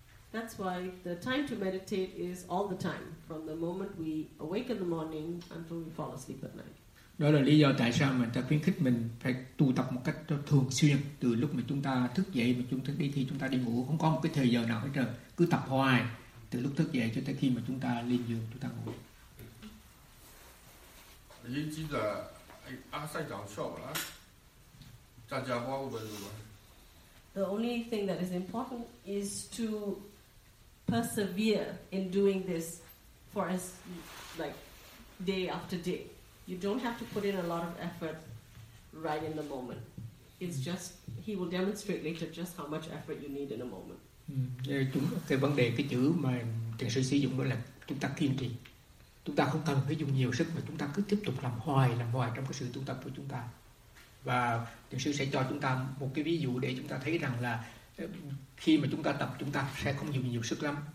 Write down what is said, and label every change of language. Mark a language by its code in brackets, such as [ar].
[en] That's why the time to meditate is all the time, from the moment we awake in the morning until we fall asleep at night. [vi] Đó là lý do tại sao mình ta khuyến khích mình phải tu tập một cách thường xuyên, từ lúc mà chúng ta thức dậy mà chúng ta đi thì chúng ta đi ngủ, không có một cái thời giờ nào hết trơn, cứ tập hoài từ lúc thức dậy cho tới khi mà chúng ta lên giường chúng ta ngủ. Những cái sai giáo sợ là cha cha bao nhiêu bao nhiêu. [en] The only thing that is important is to persevere in doing this for us, like day after day. You don't have to put in a lot of effort right in the moment. It's just, he will demonstrate later just how much effort you need in a moment. [vi] Cái vấn đề, cái chữ mà thiền sư sử dụng đó là chúng ta kiên trì. Chúng ta không cần phải dùng nhiều sức mà chúng ta cứ tiếp tục làm hoài trong cái sự tu tập của chúng ta. Và thiền sư sẽ cho chúng ta một cái ví dụ để chúng ta thấy rằng là khi mà chúng ta tập, chúng ta sẽ không dùng nhiều sức lắm.